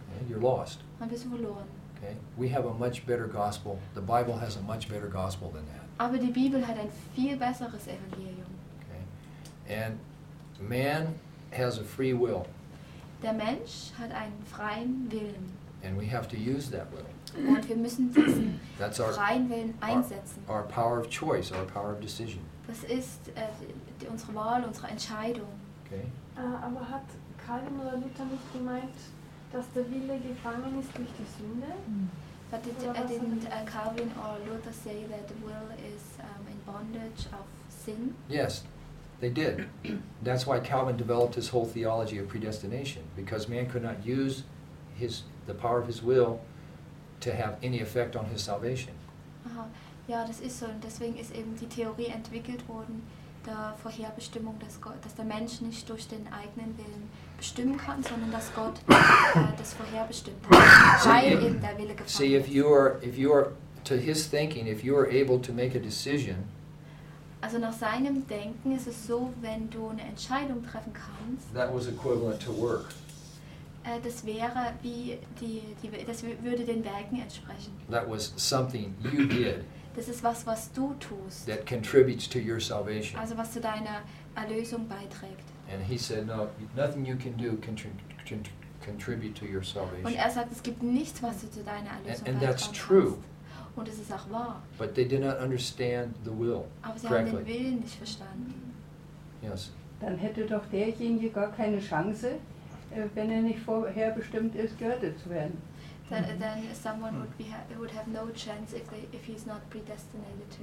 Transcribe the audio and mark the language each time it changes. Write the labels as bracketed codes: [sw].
[en] You're lost. [de] Dann bist du verloren. [en] Okay. We have a much better gospel. The Bible has a much better gospel than that. [de] Aber die Bibel hat ein viel besseres Evangelium. [en] Okay. And man has a free will. [de] Der Mensch hat einen freien Willen. [en] And we have to use that will. [de] Und wir müssen diesen freien Willen einsetzen. [en] Our power of choice, our power of decision. [de] Das ist unsere Wahl, unsere Entscheidung. [en] Okay. [de] Aber hat Calvin oder Luther nicht gemeint, dass der Wille gefangen ist durch die Sünde? [en] But didn't Calvin or Luther say that the will is in bondage of sin? Yes, they did. That's why Calvin developed his whole theology of predestination, because man could not use the power of his will to have any effect on his salvation. Aha. [de] Ja, das ist so. Und deswegen ist eben die Theorie entwickelt worden, der Vorherbestimmung, dass der Mensch nicht durch den eigenen Willen bestimmen kann, sondern dass Gott das vorherbestimmt hat, weil eben der Wille gefangen ist. [en] See, if you are, to his thinking, if you are able to make a decision, [de] also nach seinem Denken ist es so, wenn du eine Entscheidung treffen kannst, [en] that was equivalent to work. [de] Das wäre wie das würde den Werken entsprechen. [en] That was something you did. [de] Das ist was, was du tust. [en] That contributes to your salvation. [de] Also was zu deiner Erlösung beiträgt. [en] And he said, no, nothing you can do can contribute to your salvation. [de] Und er sagt, es gibt nichts, was du zu deiner Erlösung beiträgst. [en] And that's true. [de] Und es ist auch wahr. [en] But they did not understand the will [de] Aber sie [en] correctly. [de] Haben den Willen nicht verstanden. [en] Yes. [de] Dann hätte doch derjenige gar keine Chance, wenn er nicht vorherbestimmt ist, gerettet zu werden. [en] then someone would have no chance if he's not predestinated to.